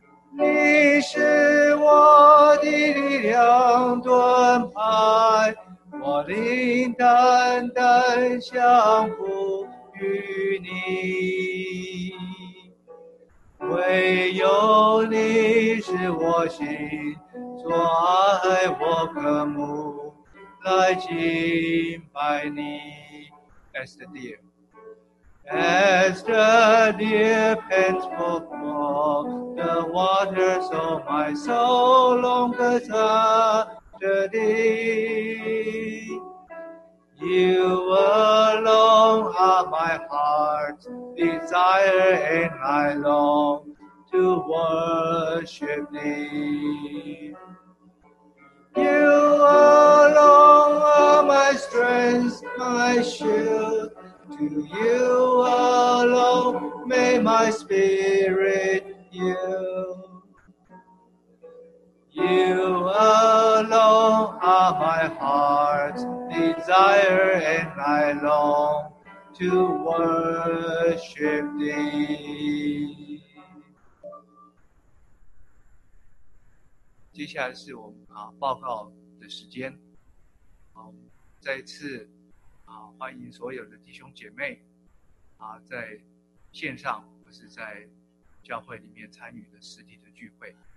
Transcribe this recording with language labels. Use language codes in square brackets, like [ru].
[zh] 你是我的力量盾牌，我灵单单相呼于你，唯有你是我心所爱，我渴慕来敬拜你。 [en] As the deer As the deer pants for the water, so my soul longs after thee. You alone are my heart's desire, and I long to worship thee. You alone are my strength, my shield. To you alone may my spirit yield. You alone are my heart's desire, and I long to worship thee. [zh] 接下来是我们报告的时间。再次欢迎所有的弟兄姐妹在线上或是在教会里面参与的实体的聚会。